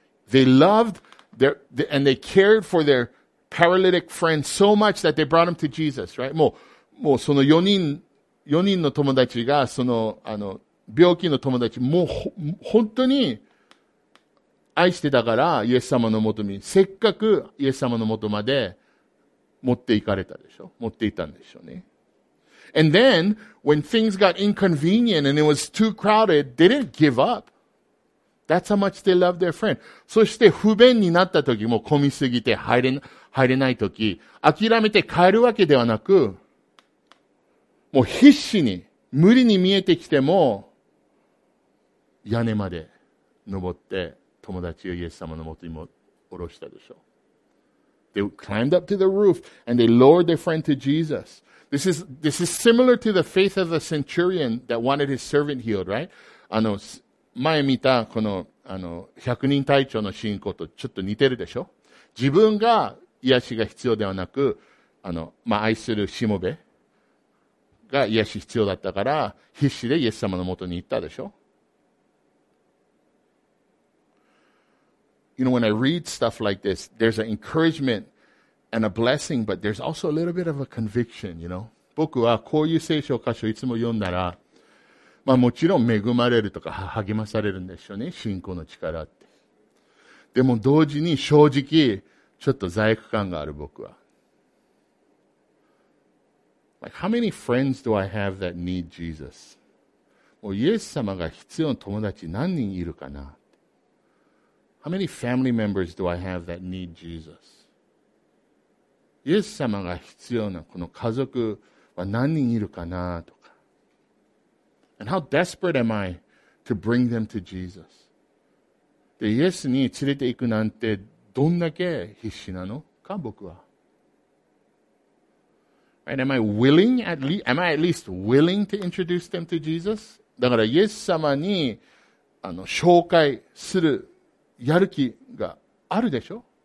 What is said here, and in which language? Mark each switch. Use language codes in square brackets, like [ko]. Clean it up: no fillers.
[en] They loved their, and they cared for their paralytic friends so much that they brought them to Jesus, right? [ja] もうその4人の友達が、その、病気の友達、もう本当に愛してたから、イエス様のもとに、せっかくイエス様のもとまで持っていかれたでしょ？持っていたんでしょうね。 [en] And then, when things got inconvenient and it was too crowded, they didn't give up. That's how much they love their friend. [ja] そして不便になった時も混みすぎて入れない時、諦めて帰るわけではなく、もう必死に、無理に見えてきても、屋根まで登って友達をイエス様の元にも下ろしたでしょう。 [en] They climbed up to the roof and they lowered their friend to Jesus. This is similar to the faith of the centurion that wanted his servant healed, right? [ja] 前見たこの、百人隊長の信仰とちょっと似てるでしょ？自分が癒しが必要ではなく、愛するしもべが癒し必要だったから、必死でイエス様の元に行ったでしょ？ [en] You know, when I read stuff like this, there's an encouragement and a blessing, but there's also a little bit of a conviction, you know? [ja] 僕はこういう聖書箇所をいつも読んだら、まあもちろん恵まれるとか励まされるんでしょうね、信仰の力って。でも同時に正直、ちょっと罪悪感がある僕は。 [en] Like, how many friends do I have that need Jesus? [ja] もうイエス様が必要な友達何人いるかな？ [en] How many family members do I have that need Jesus? [ja] イエス様が必要なこの家族は何人いるかなとか。 [en] And how desperate am I to bring them to Jesus? [ja] で、イエスに連れて行くなんてどんだけ必死なのか、僕は。 [en] Right, am I at least willing to introduce them to Jesus? [ja] だからイエス様に紹介するやる気があるでしょ？